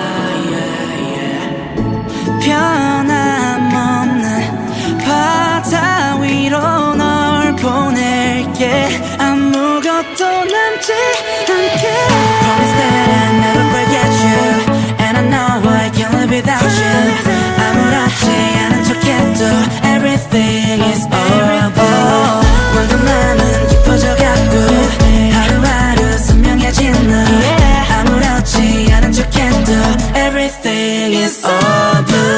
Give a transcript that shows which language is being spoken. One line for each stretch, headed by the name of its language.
English: Maybe I
Korean: 변함없는 바다 위로 널 보낼게. 아무것도 남지 않게.
English: Promise that I'll never forget you. And I know I can't live without you.
Korean: 아무렇지 않은 척해도
English: Everything is over.
Korean: 모든 마음은 깊어져갖고 하루하루 선명해진 너. 아무렇지 않은 척해도
English: Everything is over.